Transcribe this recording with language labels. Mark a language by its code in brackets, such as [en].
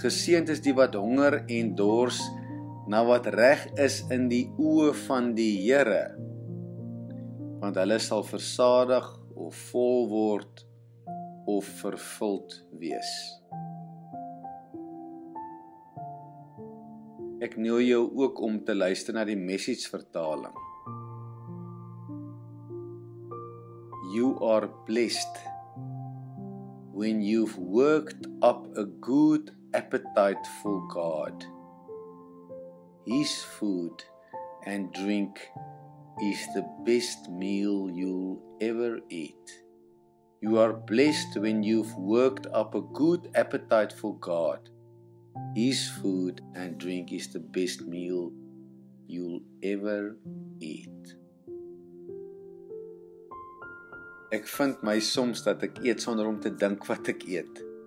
[af] Geseend is die wat honger en dors na wat reg is in die oë van die Here, want hulle sal versadig of vol word of vervuld wees. Ek nooi jou ook om te luister na die Message vertaling. [en] You are blessed when you've worked up a good appetite for God. His food and drink is the best meal you'll ever eat. You are blessed when you've worked up a good appetite for God. His food and drink is the best meal you'll ever eat. [af] Ek vind my soms dat ek eet sonder om te dink wat ek eet.